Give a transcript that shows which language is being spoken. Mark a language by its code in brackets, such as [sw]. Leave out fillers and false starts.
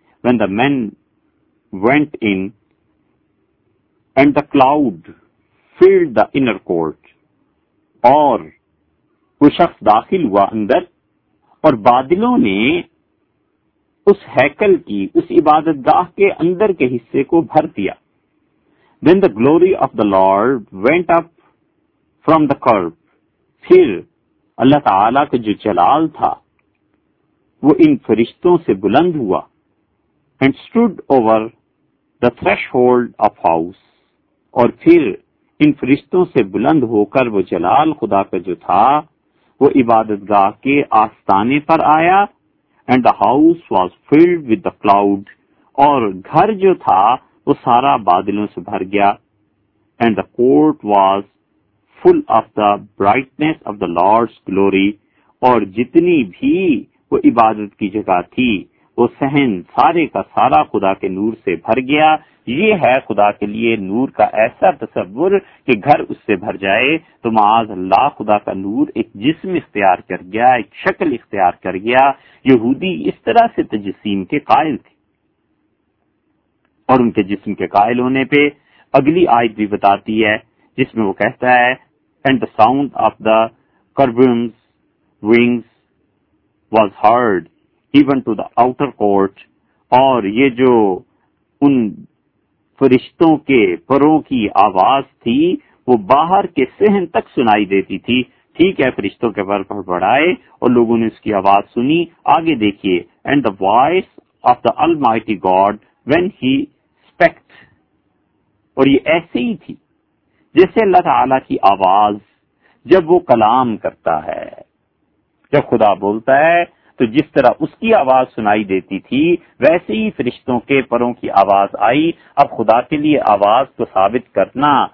[en] When the men went in and the cloud filled the inner court, [ur] اور وہ شخص داخل ہوا اندر اور بادلوں نے اس ہیکل کی، اس عبادت گاہ کے اندر کے حصے کو بھر دیا. [en] Then the glory of the Lord went up from the curb. [ur] پھر اللہ تعالی کا جو جلال تھا وہ ان فرشتوں سے بلند ہوا. [en] And stood over the threshold of house. [ur] اور پھر ان فرشتوں سے بلند ہو کر وہ جلال خدا کا جو تھا وہ عبادت گاہ کے آستانے پر آیا. [en] And the house was filled with the cloud. [ur] اور گھر جو تھا وہ سارا بادلوں سے بھر گیا. [en] And the court was full of the brightness of the Lord's glory. [ur] اور جتنی بھی وہ عبادت کی جگہ تھی وہ صحن سارے کا سارا خدا کے نور سے بھر گیا. یہ ہے خدا کے لیے نور کا ایسا تصور کہ گھر اس سے بھر جائے. تو معاذ اللہ، خدا کا نور ایک جسم اختیار کر گیا، ایک شکل اختیار کر گیا. یہودی اس طرح سے تجسیم کے قائل تھے، اور ان کے جسم کے قائل ہونے پہ اگلی آیت بھی بتاتی ہے جس میں وہ کہتا ہے [en] and the sound of the cherubim's wings was heard even to the outer court. [ur] اور یہ جو ان فرشتوں کے پروں کی آواز تھی وہ باہر کے صحن تک سنائی دیتی تھی. ٹھیک ہے، فرشتوں کے پر بڑھائے اور لوگوں نے اس کی آواز سنی. آگے دیکھیے [en] and the voice of the almighty God when he spoke. [ur] اور یہ ایسے ہی تھی جیسے اللہ تعالی کی آواز جب وہ کلام کرتا ہے، جب خدا بولتا ہے تو جس طرح اس کی آواز سنائی دیتی تھی ویسے ہی فرشتوں کے پروں کی آواز آئی. اب خدا کے لیے آواز کو ثابت کرنا